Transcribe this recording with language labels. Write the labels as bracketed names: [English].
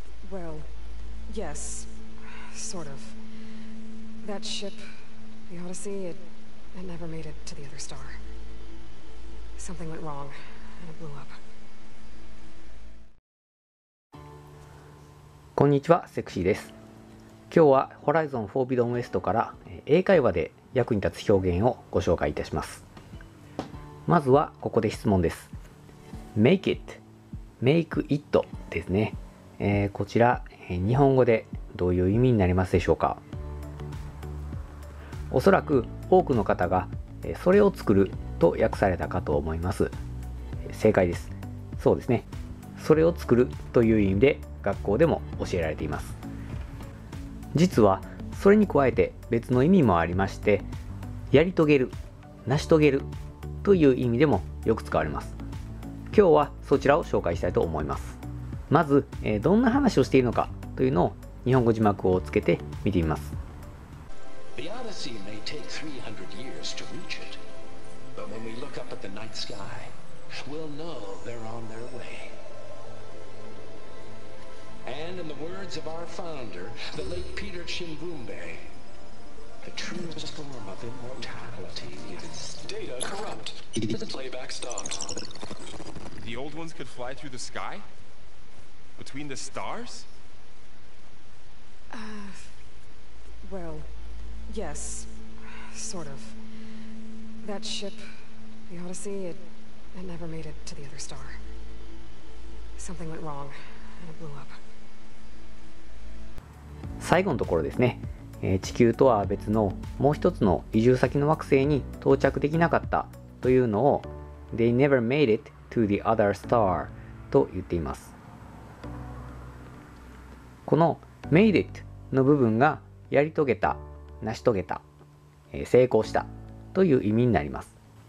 [English] Well, yes, sort of. That ship, the Odyssey, it never made it to the other star. Something went wrong, and it blew up. [Japanese] こんにちは、セクシーです。今日は Horizon Forbidden West から英会話で役に立つ表現をご紹介いたします。まずはここで質問です。 [English] Make it、Make it ですね。 [Japanese] こちら日本語でどういう意味になりますでしょうか。おそらく多くの方がそれを作ると訳されたかと思います。正解です。そうですね。それを作るという意味で学校でも教えられています。実はそれに加えて別の意味もありまして、やり遂げる、成し遂げるという意味でもよく使われます。今日はそちらを紹介したいと思います。まずどんな話をしているのかというのを日本語字幕をつけて見てみます。 [English] The Odyssey may take 300 years to reach it, but when we look up at the night sky, we'll know they're on their wayAnd in the words of our founder, the late Peter Chimbumbe, the truest form of immortality is data corrupt. Playback stopped. The old ones could fly through the sky? Between the stars? Well, yes, sort of. That ship, the Odyssey, it never made it to the other star. Something went wrong, and it blew up. [Japanese] 最後のところですね、地球とは別のもう一つの移住先の惑星に到着できなかったというのを They never made it to the other star と言っています。この made it の部分がやり遂げた、成し遂げた、成功したという意味になります。